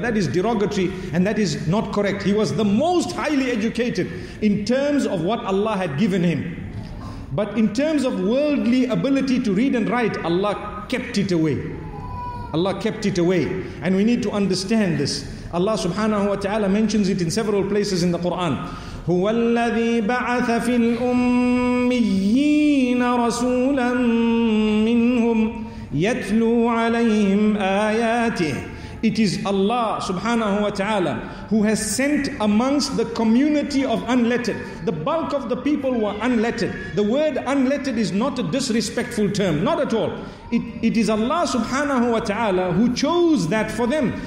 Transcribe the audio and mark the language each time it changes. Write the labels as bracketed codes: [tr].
[en] That is derogatory and that is not correct. He was the most highly educated in terms of what Allah had given him. But in terms of worldly ability to read and write, Allah kept it away. Allah kept it away. And we need to understand this. Allah subhanahu wa ta'ala mentions it in several places in the Quran. [ar] هو الذي بعث في الأميين رسولا منهم يتلو عليهم آياته. [en] It is Allah subhanahu wa ta'ala who has sent amongst the community of unlettered. The bulk of the people were unlettered. The word unlettered is not a disrespectful term, not at all. It is Allah subhanahu wa ta'ala who chose that for them.